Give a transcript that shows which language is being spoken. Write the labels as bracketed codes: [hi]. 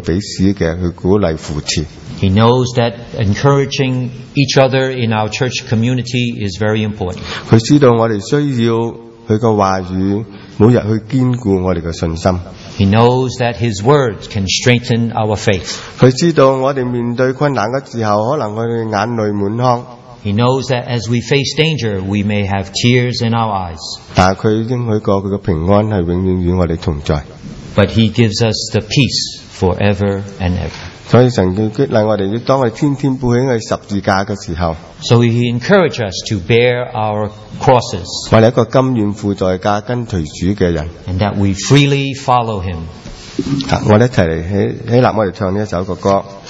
[zh] 所以神是需要我们一个全教会的整体，一同去彼此的去鼓励扶持。 [en] He knows that encouraging each other in our church community is very important. [zh] 他知道我们需要他的话语，每日去坚固我们的信心。 [en] He knows that His words can strengthen our faith. [zh] 他知道我们面对困难的时候，可能我们眼泪满眶。 [en] He knows that as we face danger, we may have tears in our eyes. But He gives us the peace forever and ever. [zh] 所以神激励我们，当我们天天背起十字架的时候， [en] So He encourages us to bear our crosses. [zh] 我们是一个甘愿负在家跟随主的人， [en] And that we freely follow Him. [zh] 我们一起来起立，我们唱这首歌。